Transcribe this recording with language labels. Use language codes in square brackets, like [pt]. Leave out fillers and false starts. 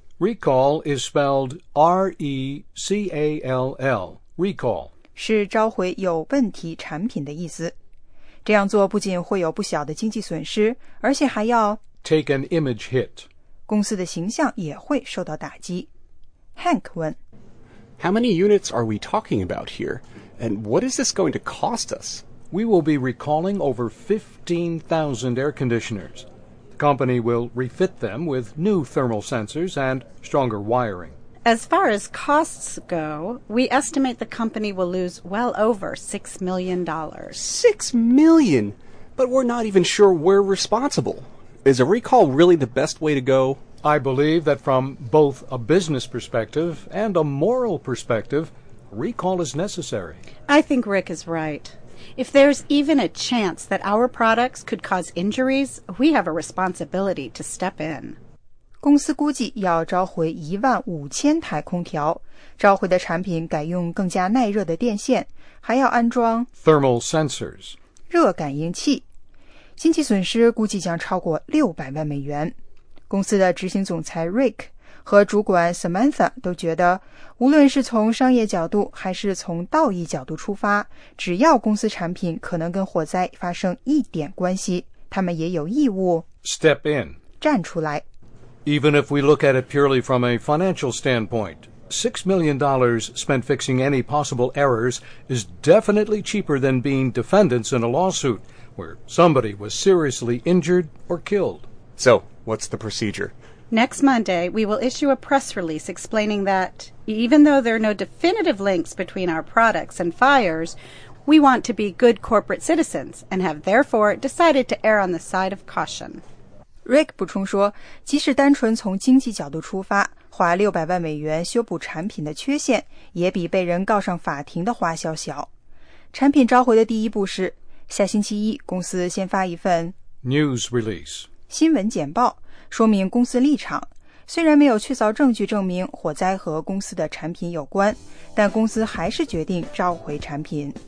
[en] Recall is spelled R-E-C-A-L-L, recall. [zh] 是召回有问题产品的意思。这样做不仅会有不小的经济损失，而且还要 [en] take an image hit. [zh] 公司的形象也会受到打击。 Hank 问 [en] How many units are we talking about here? And what is this going to cost us? We will be recalling over 15,000 air conditioners. The company will refit them with new thermal sensors and stronger wiring. As far as costs go, we estimate the company will lose well over $6 million. $6 million? But we're not even sure we're responsible. Is a recall really the best way to go? I believe that from both a business perspective and a moral perspective, recall is necessary. I think Rick is right. If there's even a chance that our products could cause injuries, we have a responsibility to step in. [zh] 公司估计要召回15,000台空调，召回的产品改用更加耐热的电线，还要安装 [en] thermal sensors, [zh] 热感应器。经济损失估计将超过$6,000,000。公司的执行总裁 Rick 和主管 Samantha 都觉得，无论是从商业角度还是从道义角度出发，只要公司产品可能跟火灾发生一点关系，他们也有义务 [en] step in [zh] 站出来。 [en] Even if we look at it purely from a financial standpoint, $6 million spent fixing any possible errors is definitely cheaper than being defendants in a lawsuit where somebody was seriously injured or killed. So. What's the procedure? Next Monday, we will issue a press release explaining that, even though there are no definitive links between our products and fires, we want to be good corporate citizens and have therefore decided to err on the side of caution. [zh] Rick 补充说，即使单纯从经济角度出发，花$6,000,000修补产品的缺陷，也比被人告上法庭的花销小。产品召回的第一步是，下星期一，公司先发一份 [en] news release. [zh] 新闻简报说明公司立场，虽然没有确凿证据证明火灾和公司的产品有关，但公司还是决定召回产品。